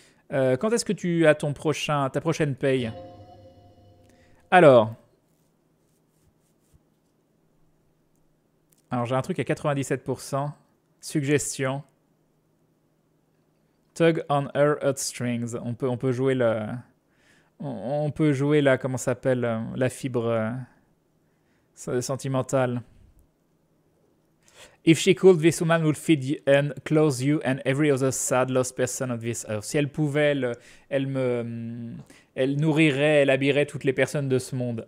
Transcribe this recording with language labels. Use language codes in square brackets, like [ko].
[fr] Quand est-ce que tu as ta prochaine paye? Alors, j'ai un truc à 97%. Suggestion. [en] Tug on her heartstrings. [fr] On peut jouer la, comment ça s'appelle, la fibre sentimentale. [en] If she could, this woman would feed you and close you and every other sad lost person on this earth. [fr] Si elle pouvait, elle nourrirait, elle habillerait toutes les personnes de ce monde.